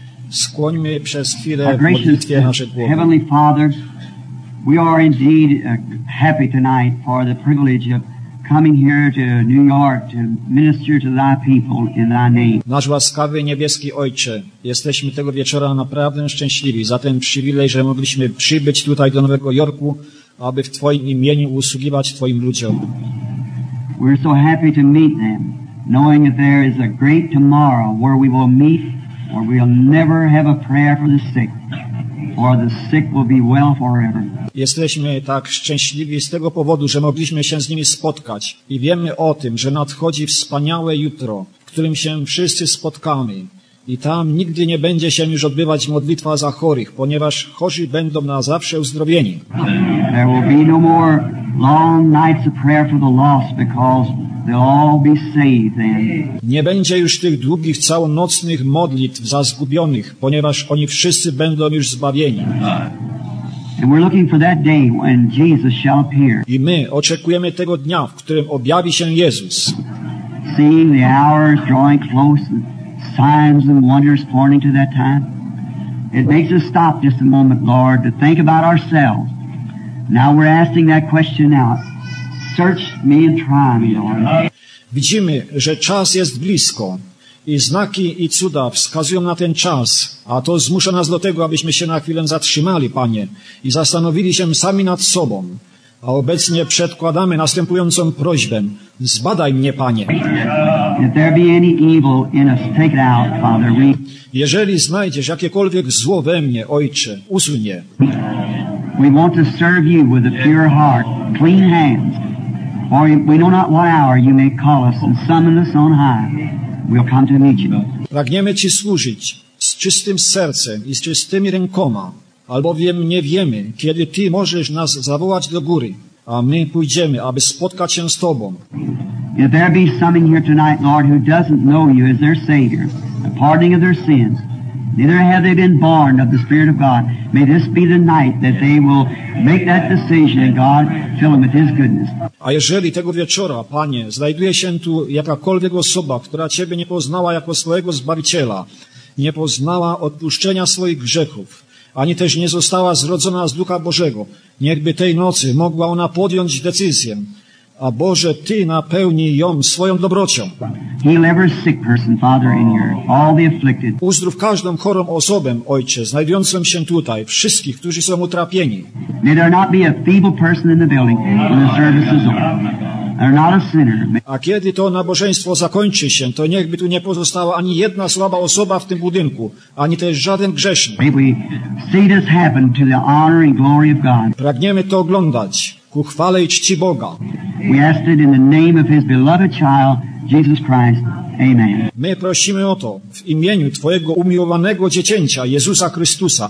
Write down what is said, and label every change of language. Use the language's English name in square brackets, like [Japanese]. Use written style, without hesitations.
[Polish] Skłońmy przez chwilę w modlitwie nasze głowy. [English] Heavenly Father, we are indeed happy tonight for the privilege of coming here to New York to minister to thy people in thy name. [Polish] Nasz łaskawy niebieski Ojcze, jesteśmy tego wieczora naprawdę szczęśliwi za ten przywilej, że mogliśmy przybyć tutaj do Nowego Jorku, aby w Twoim imieniu usługiwać Twoim ludziom. [English] We're so happy to meet them, knowing that there is a great tomorrow where we will meet. Or we'll never have a prayer for the sick, or the sick will be well forever. [Polish] Jesteśmy tak szczęśliwi z tego powodu, że mogliśmy się z nimi spotkać i wiemy o tym, że nadchodzi wspaniałe jutro, w którym się wszyscy spotkamy i tam nigdy nie będzie się już odbywać modlitwa za chorych, ponieważ chorzy będą na zawsze uzdrowieni. [English] There will be no more long nights of prayer for the lost because they'll all be saved then. [Polish] Nie będzie już tych długich, całonocnych modlitw za zgubionych, ponieważ oni wszyscy będą już zbawieni. [English] And we're looking for that day when Jesus shall appear. [Polish] I my oczekujemy tego dnia, w którym objawi się Jezus. [English] Seeing the hours drawing close and signs and wonders pointing to that time, it makes us stop just a moment, Lord, to think about ourselves. Now we're asking that question now. Search me and try me, Lord. [Polish] Widzimy, że czas jest blisko i znaki i cuda wskazują na ten czas, a to zmusza nas do tego, abyśmy się na chwilę zatrzymali, Panie, i zastanowili się sami nad sobą. A obecnie przedkładamy następującą prośbę. Zbadaj mnie, Panie. [English] If there be any evil in us, take it out, Father. [Polish] Jeżeli znajdziesz jakiekolwiek zło we mnie, Ojcze, usuń je. [English] We want to serve you with a pure heart, clean hands. For we know not what hour you may call us and summon us on high. We'll come to meet you. [Polish] Pragniemy Ci służyć z czystym sercem i z czystymi rękoma, albowiem nie wiemy, kiedy Ty możesz nas zawołać do góry, a my pójdziemy, aby spotkać się z Tobą. [English] If there be some in here tonight, Lord, who doesn't know you as their Savior, the pardoning of their sins, neither have they been born of the Spirit of God. May this be the night that they will make that decision and God fill them with His goodness. [Polish] A jeżeli tego wieczora, Panie, znajduje się tu jakakolwiek osoba, która Ciebie nie poznała jako swojego Zbawiciela, nie poznała odpuszczenia swoich grzechów, ani też nie została zrodzona z Ducha Bożego, niechby tej nocy mogła ona podjąć decyzję, a Boże, Ty napełnij ją swoją dobrocią. [English] Heal every sick person, Father, in here, all the afflicted. [Polish] Uzdrów każdą chorą osobę, Ojcze, znajdującą się tutaj, wszystkich, którzy są utrapieni. [English] May there not be a feeble person in the building when the service is over. They're not a sinner. [Polish] A kiedy to nabożeństwo zakończy się, to niechby tu nie pozostała ani jedna słaba osoba w tym budynku, ani też żaden grzesznik. [English] May we see this happen to the honor and glory of God. [Polish] Pragniemy to oglądać ku chwale i czci Boga. [English] We ask it in the name of His beloved child, Jesus Christ. Amen. [Polish] My prosimy o to w imieniu Twojego umiłowanego dziecięcia, Jezusa Chrystusa.